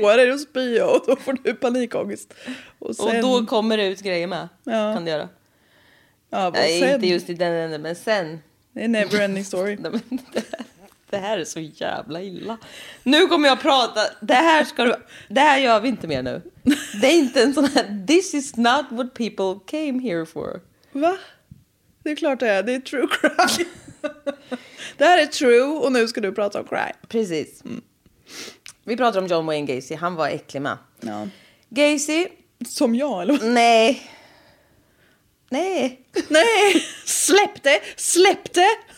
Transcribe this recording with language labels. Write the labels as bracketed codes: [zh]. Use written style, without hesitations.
[sv] på dig och spyr och då får du panikångest. Och, sen... och då kommer det ut grejer med. Ja. Kan du göra. Ja, sen... inte just i den änden, men sen. Det är [en] never ending story. [sv] Det här är så jävla illa. Nu kommer jag prata. Det här ska du, det här gör vi inte mer nu. Det är inte en sån här... [en] This is not what people came here for. [sv] Va? Det är klart det är. Det är true crime. Det här är true och nu ska du prata om crime. Precis. Mm. Vi pratar om John Wayne Gacy. Han var äcklig med. Ja. Gacy. Som jag eller vad? Nej. Nej. Nej. Släpp det. Släpp det.